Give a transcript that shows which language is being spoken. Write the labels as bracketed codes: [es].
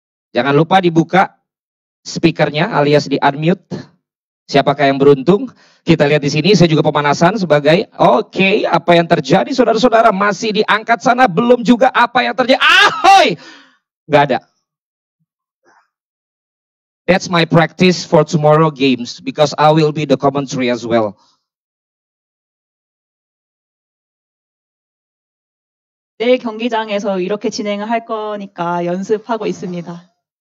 [id] Jangan lupa dibuka speakernya alias di unmute. Siapakah yang beruntung? Kita lihat di sini, saya juga pemanasan sebagai, okay, apa yang terjadi saudara-saudara? Masih diangkat sana, belum juga apa yang terjadi? Ahoy! Gak ada. [en] That's my practice for tomorrow games, because I will be the commentary as well. [ko] Nah, 경기장에서 이렇게 진행을 할 거니까 연습하고 있습니다.